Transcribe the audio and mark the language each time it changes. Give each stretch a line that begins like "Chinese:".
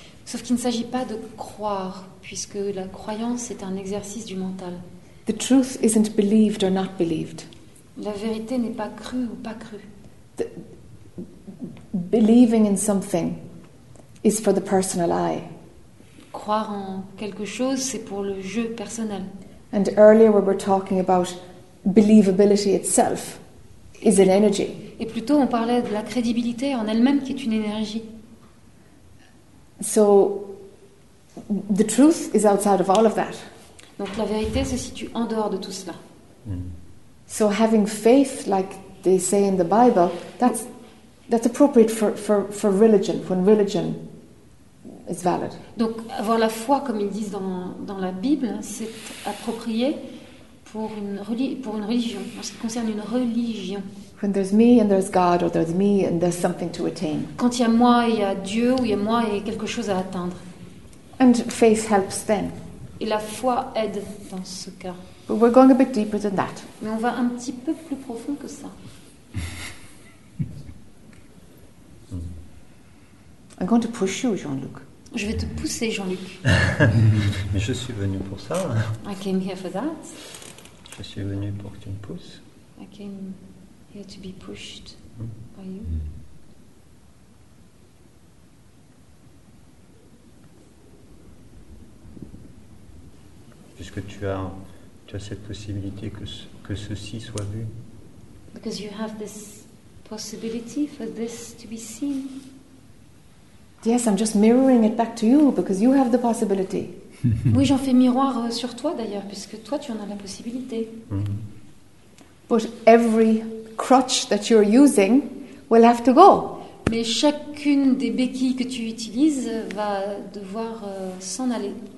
French: Sauf qu'il ne s'agit pas de croire, puisque la croyance est un exercice du mental.
English: The truth isn't believed or not believed.
French: La vérité n'est pas crue ou pas crue.
English: Believing in something is for the personal I.
French: Croire en quelque chose, c'est pour le jeu personnel.
English: And earlier we were talking about believability itself is an energy.
French: Et plutôt, on parlait de la crédibilité en elle-même qui est une énergie.
English: So, the truth is outside of all of that.
French: Donc la vérité se situe en dehors de tout cela.
English: So having faith, like they say in the Bible, that's appropriate for religion, when religion is valid.
French: Donc avoir la foi, comme ils disent dans la Bible, c'est approprié pour une religion, en ce qui concerne une religion.
English: When there's me and there's God, or there's me and there's something to attain.
French: Quand il y a moi, il y a Dieu, ou il y a moi et quelque chose à atteindre.
English: And faith helps then.
French: Et la foi aide dans ce cas.
English: But we're going a bit deeper than that.
French: Mais on va un petit peu plus profond que ça.
English: I'm going to push you, Jean-Luc.
French: Je vais te pousser, Jean-Luc. Mais je suis venu pour ça.
English: I came here for that.
French: Je suis venu pour que tu me pousses.
English: I came here to be pushed by you.
French: Puisque tu as cette possibilité que ceci soit vu.
English: Because you have this possibility for this to be seen. Yes, I'm just mirroring it back to you because you have the possibility.
French: Oui, j'en fais miroir sur toi d'ailleurs, puisque toi tu en as la possibilité. Mm-hmm.
English: But every crutch that you're using will have to go.
French: Mais chacune des béquilles que tu utilises va devoir s'en aller.